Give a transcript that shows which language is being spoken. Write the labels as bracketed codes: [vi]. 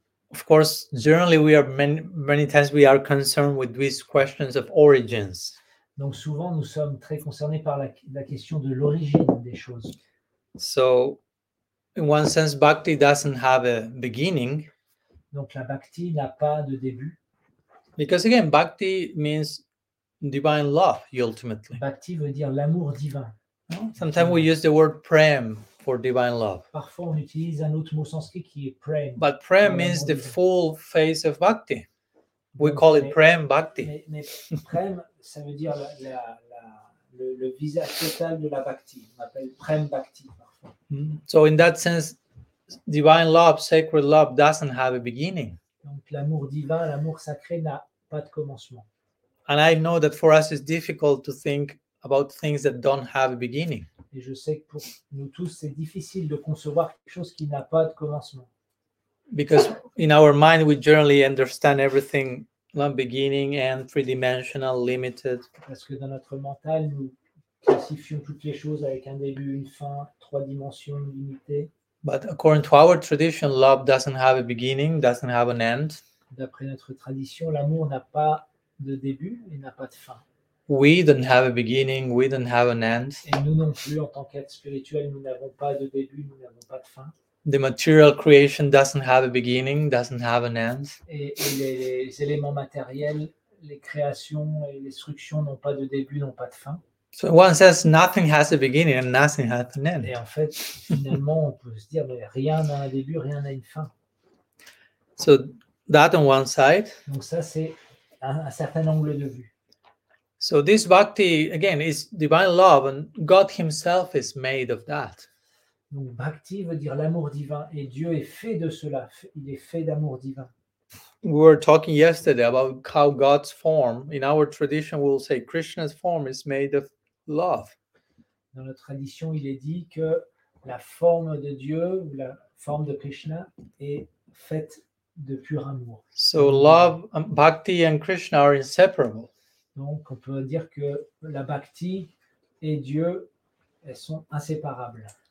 [en] Of course, generally we are many times we are concerned with these questions of origins. [fr] Donc souvent, nous sommes très concernés par la question de l'origine des choses. [en] So in one sense, bhakti doesn't have a beginning. [fr] Donc la bhakti n'a pas de début. [en] Because again, bhakti means divine love, ultimately. [fr] Bhakti veut dire l'amour divin. [en] Sometimes we use the word prem for divine love. [fr] Parfois on utilise un autre mot sanskrit qui est prem. [en] But prem means the full face of bhakti. We call it prem bhakti. [fr] Mais prem, ça veut dire le visage total de la bhakti. On appelle prem bhakti. [en] So in that sense, divine love, sacred love doesn't have a beginning. [fr] Donc l'amour divin, l'amour sacré n'a pas de commencement. [en] And I know that for us it's difficult to think about things that don't have a beginning. [fr] Et je sais que pour nous tous c'est difficile de concevoir quelque chose qui n'a pas de commencement. [en] Because in our mind we generally understand everything one beginning and three dimensional limited. [fr] Parce que dans notre mental nous classifions toutes les choses avec un début, une fin, trois dimensions, limitées. [en] But according to our tradition, love doesn't have a beginning, doesn't have an end. [fr] D'après notre tradition, l'amour n'a pas de début et n'a pas de fin. [en] We don't have a beginning, we don't have an end. [fr] Et nous non plus, en tant qu'être spirituel, nous n'avons pas de début, nous n'avons pas de fin. [en] The material creation doesn't have a beginning, doesn't have an end. [fr] Et les éléments matériels, les créations et les structures n'ont pas de début, n'ont pas de fin. [en] So one says nothing has a beginning and nothing has an end. [fr] Et en fait, finalement, on peut se dire, mais rien n'a un début, rien n'a une fin. [en] So that on one side. [fr] Donc ça, c'est un certain angle de vue. [en] So this bhakti, again, is divine love, and God himself is made of that. [fr] Donc bhakti veut dire l'amour divin, et Dieu est fait de cela, il est fait d'amour divin. [en] We were talking yesterday about how God's form, in our tradition, we'll say Krishna's form is made of love. [fr] Dans notre tradition, il est dit que la forme de Dieu, la forme de Krishna, est faite de pur amour. [en] So love, bhakti and Krishna are inseparable. [fr] Donc, on peut dire que la bhakti et Dieu, elles sont inséparables.